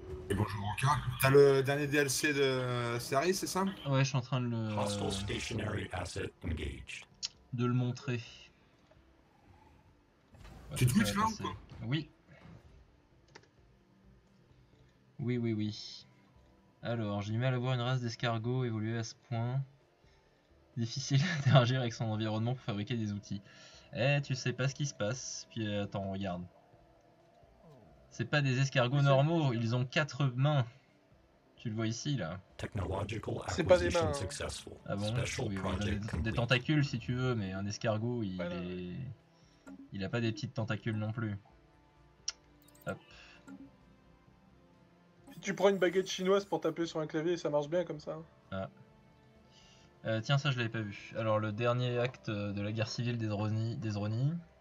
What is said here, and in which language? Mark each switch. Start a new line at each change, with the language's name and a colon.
French: Et bonjour Anka, t'as le dernier DLC de série, c'est ça? Ouais, je suis en train de le...
English: Hostile stationary asset engaged.
French: De le montrer. Ouais, tu Twitch là ou quoi? Oui. Oui, oui, oui. Alors, j'ai du mal à voir une race d'escargots évoluer à ce point. Difficile d'interagir avec son environnement pour fabriquer des outils. Eh, tu sais pas ce qui se passe. Puis attends, regarde. C'est pas des escargots normaux, ils ont 4 mains. Tu le vois ici, là.
English: Technological acquisition successful.
French: Ah bon, oui, il a des tentacules si tu veux, mais un escargot, il voilà. Est... Il a pas des petites tentacules non plus. Hop. Si tu prends une baguette chinoise pour taper sur un clavier, ça marche bien comme ça. Ah. Tiens, ça je l'avais pas vu. Alors, le dernier acte de la guerre civile des Zroni.